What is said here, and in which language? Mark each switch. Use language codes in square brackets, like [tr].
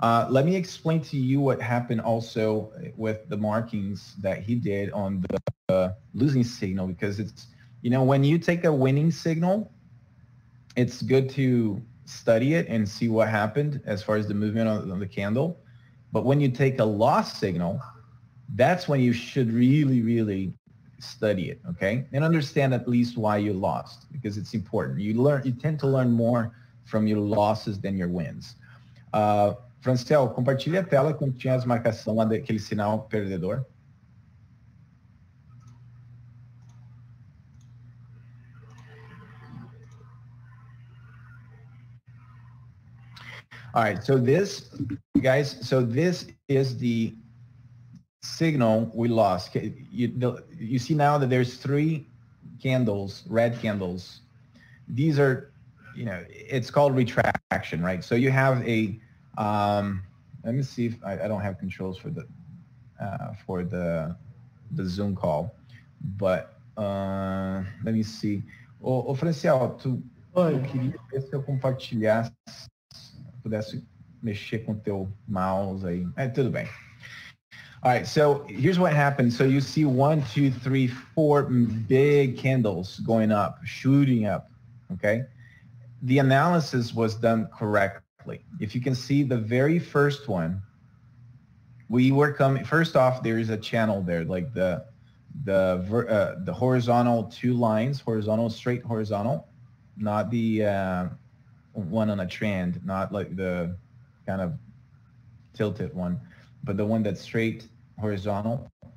[en] Let me explain to you what happened also with the markings that he did on the losing signal, because it's, you know, when you take a winning signal, it's good to study it and see what happened as far as the movement on the candle. But when you take a loss signal, that's when you should really, really study it, okay, and understand at least why you lost, because it's important. You tend to learn more from your losses than your wins. [pt] Francel, compartilha a tela quando tinha as marcação lá daquele sinal perdedor. [en] All right, so this, guys, so this is the signal we lost. You see now that there's three candles, red candles. These are, you know, it's called retraction, right? So you have a, let me see if I don't have controls for the Zoom call, but let me see. [pt] Ô Franciel, eu queria ver se eu compartilhasse, se pudesse mexer com teu mouse aí. É, tudo bem. [en] All right, so here's what happened. So you see 1, 2, 3, 4 big candles going up, shooting up, okay? The analysis was done correctly. correctly. If you can see the very first one, we were coming, first off, there is a channel there, like the horizontal two lines, horizontal, straight horizontal, not the one on a trend, not like the kind of tilted one, but the one that's straight horizontal.